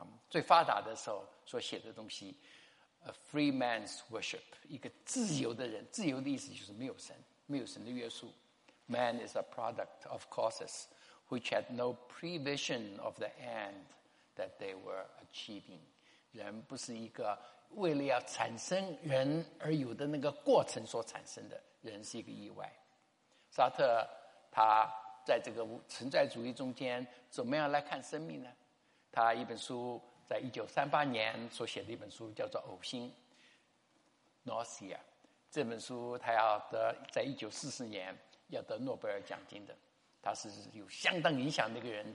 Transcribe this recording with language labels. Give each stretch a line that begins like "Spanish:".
Chinese: 最发达的时候所写的东西， A free man's worship， 一个自由的人，自由的意思就是没有神，没有神的约束。
English: Man is a product of causes which had no prevision of the end that they were achieving。
Chinese: 人不是一个为了要产生人而有的那个过程所产生的，人是一个意外。沙特他在这个存在主义中间怎么样来看生命呢？他一本书在1938年所写的一本书叫做《呕心》 Nausea， 这本书他要得在1944年要得诺贝尔奖金的，他是有相当影响的一个人。